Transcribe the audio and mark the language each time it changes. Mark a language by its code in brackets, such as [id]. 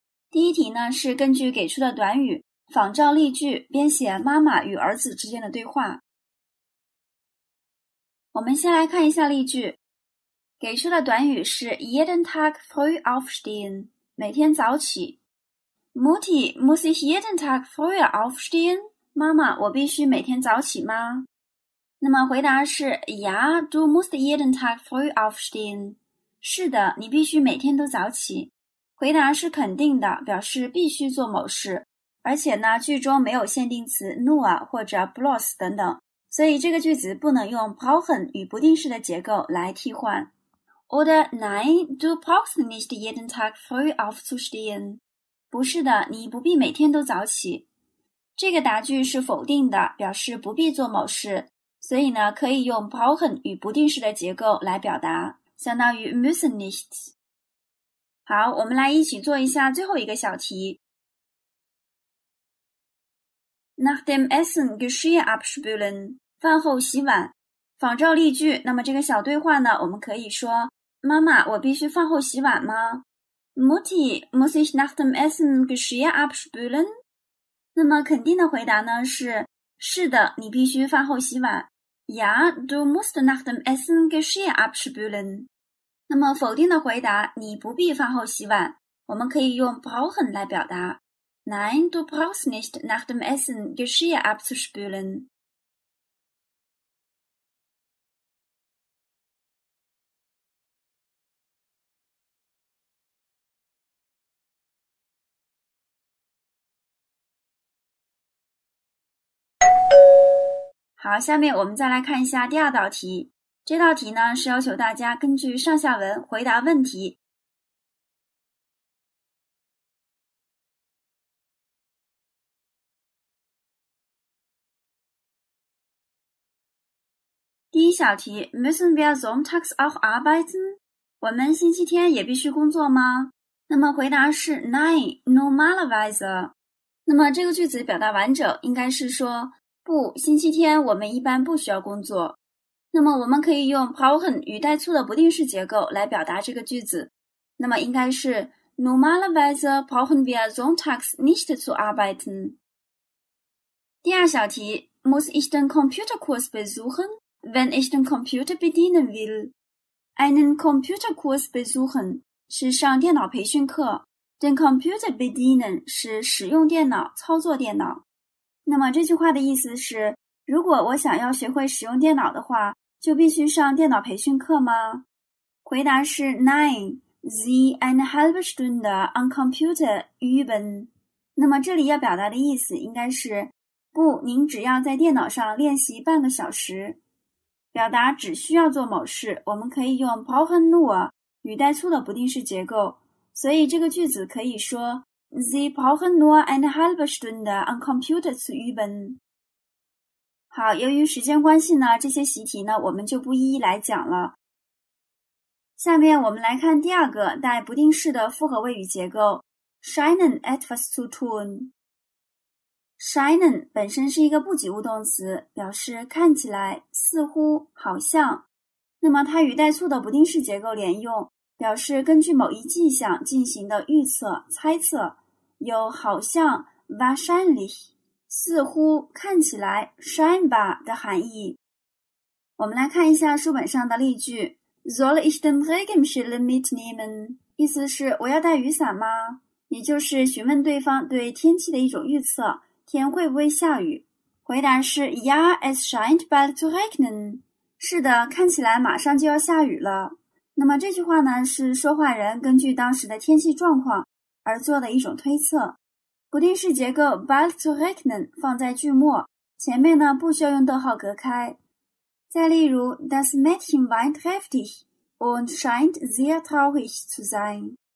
[zh] 第一题呢是根据给出的短语仿照例句编写妈妈与儿子之间的对话。我们先来看一下例句。给出的短语是 [de] jeden Tag früh aufstehen， [zh] 每天早起。 [de] Mutti, muss ich jeden Tag früher aufstehen? [zh] 妈妈，我必须每天早起吗？那么回答是 [de] Ja, du musst jeden Tag früh aufstehen。 [zh] 是的，你必须每天都早起。回答是肯定的，表示必须做某事，而且呢句中没有限定词 nur 或者 bloß 等等，所以这个句子不能用 brauchen 与不定式的结构来替换。 [de] Oder nein, du brauchst nicht jeden Tag früh aufzustehen。 [zh] 不是的，你不必每天都早起。这个答句是否定的，表示不必做某事，所以呢，可以用 brauchen 与不定式的结构来表达，相当于 müssen nicht。好，我们来一起做一下最后一个小题。 [de] Nach dem Essen Geschirr abspülen， [zh] 饭后洗碗。仿照例句，那么这个小对话呢，我们可以说：妈妈，我必须饭后洗碗吗？ [de] Mutti, muss ich nach dem Essen Geschirr abspülen? [zh] 那么肯定的回答呢是，是的，你必须饭后洗碗。 [de] Ja, du musst nach dem Essen Geschirr abspülen. [zh] 那么否定的回答，你不必饭后洗碗，我们可以用 brauchen 来表达。 [de] Nein, du brauchst nicht nach dem Essen Geschirr abzuspülen. [zh] 好，下面我们再来看一下第二道题。这道题呢是要求大家根据上下文回答问题。第一小题 [de] ,Müssen wir sonntags auch arbeiten? [zh] 我们星期天也必须工作吗？那么回答是 [de] Nein, normalerweise。 [zh] 那么这个句子表达完整应该是说，不，星期天我们一般不需要工作。那么我们可以用 brauchen 与带醋的不定式结构来表达这个句子。那么应该是 [de] normalerweise brauchen wir sonntags nicht zu arbeiten。第二小题 ,muss ich den Computerkurs besuchen, wenn ich den Computer bedienen will? Einen Computerkurs besuchen [zh] 是上电脑培训课。 [de] Den Computer bedienen [zh] 是使用电脑、操作电脑。那么这句话的意思是，如果我想要学会使用电脑的话，就必须上电脑培训课吗？回答是 [de] Nein, sie eine halbe Stunde am Computer üben。 [zh] 那么这里要表达的意思应该是，不，您只要在电脑上练习半个小时。表达只需要做某事，我们可以用 brauchen nur 与带醋的不定式结构，所以这个句子可以说 [de] Sie brauchen nur eine halbe Stunde am Computer zu üben. [zh] 好，由于时间关系呢，这些习题呢，我们就不一一来讲了。下面我们来看第二个带不定式的复合谓语结构 , [de] scheinen etwas zu tun. [zh] Scheinen 本身是一个不及物动词，表示看起来、似乎、好像。那么它与带醋的不定式结构连用，表示根据某一迹象进行的预测、猜测，有好像 wahrscheinlich 似乎、看起来 scheinbar 的含义。我们来看一下书本上的例句 [de] Soll ich den Regenschirm mitnehmen? [zh] 意思是我要带雨伞吗？也就是询问对方对天气的一种预测，天会不会下雨。回答是 [de] Ja, es scheint bald zu regnen. [zh] 是的，看起来马上就要下雨了。那么这句话呢，是说话人根据当时的天气状况而做的一种推测。不定式结构 [de] bald zu regnen [zh] 放在句末，前面呢不需要用逗号隔开。再例如 [de] ,das Mädchen weint heftig und scheint sehr traurig zu sein。